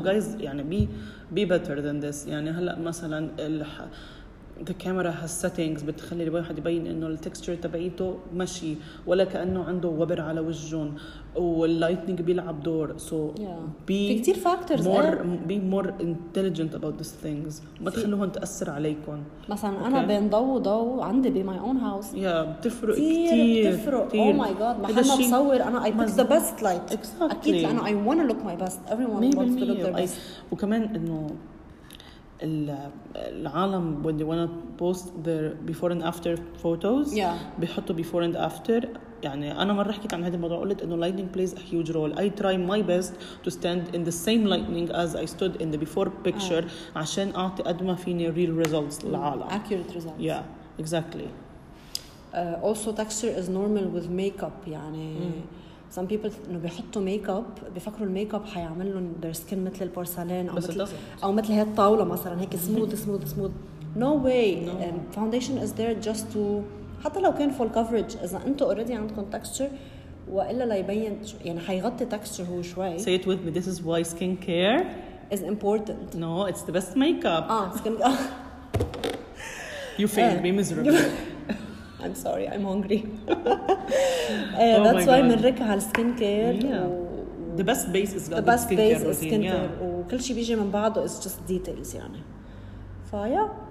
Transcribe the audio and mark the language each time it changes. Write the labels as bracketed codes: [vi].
[en] Please, guys, يعني be better than this. [ar] يعني هلا مثلا [en] the camera has settings [ar] بتخلي الواحد يبين إنه [en] the texture [ar] تبعيته مشي ولا كأنه عنده وبر على وجهه. واللايتنينج بيلعب دور [en] so be more intelligent about these things [ar] ما تخلوهم تأثر عليكم مثلا okay. أنا بين ضو وضو عندي بي [en] my own house [ar] yeah, بتفرق كتير [en] oh my god [ar] محل ما بصور أنا [en] I pick the best light exactly. [ar] أكيد لأنه [en] I wanna look my best everyone wants to look their best وكمان إنه العالم when they wanna post their before and after photos yeah. [ar] بيحطوا [en] before and after [ar] يعني أنا مرة حكيت عن هذا الموضوع قلت إنه [en] lightning plays a huge role. I try my best to stand in the same lightning as I stood in the before picture [ar] عشان أعطي قد ما فيني [en] real results [ar] للعالم. [en] Accurate results. Yeah, exactly. Also, texture is normal with makeup. [ar] يعني [en] some people [ar] إنه بيحطوا makeup بيفكروا الميكاب حيعمل لهم [en] their skin [ar] مثل البورسلين أو مثل هاي الطاولة مثلاً هيك smooth. [en] No way. No. Foundation is there just to [ar] حتى لو كان [en] full coverage [ar] إذا أنتوا already عندكم texture وإلا لا يبين يعني حيغطي texture هو شوي [en] say it with me this is why skincare is important no it's the best makeup skin you failed me miserably I'm sorry I'm hungry that's why [ar] منرك على [en] skincare yeah. the best base is the best base is skincare yeah. [ar] وكل شيء بيجي من بعضه [en] is just details [ar] يعني فايا